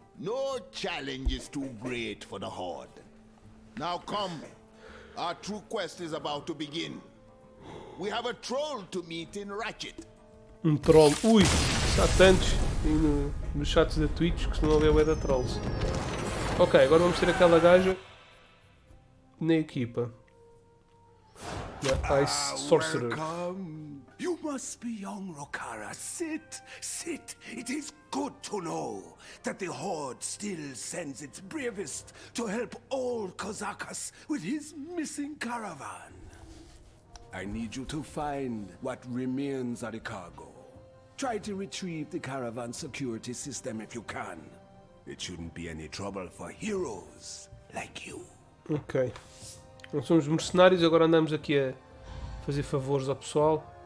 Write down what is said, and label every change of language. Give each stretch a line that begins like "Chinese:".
English: No challenge is too great for the Horde. Now come, our true quest is about to begin. We have a troll to meet in Ratchet.
Portuguese: Um troll. Ui, há tantos aí nos chats da Twitch que se não houver o Eda Trolls. Ok, agora vamos ter aquela gaja na equipa. Na Ice Sorcerer.
English: Welcome. You must be young, Rokara. Sit, sit. It is good to know that the Horde still sends its bravest to help all Kozakas with his missing caravan. I need you to find what remains of the cargo. Try to retrieve the caravan security system if you can. It shouldn't be any trouble for heroes like you. Ok.
Portuguese: Nós somos mercenários e agora andamos aqui a fazer favores ao pessoal.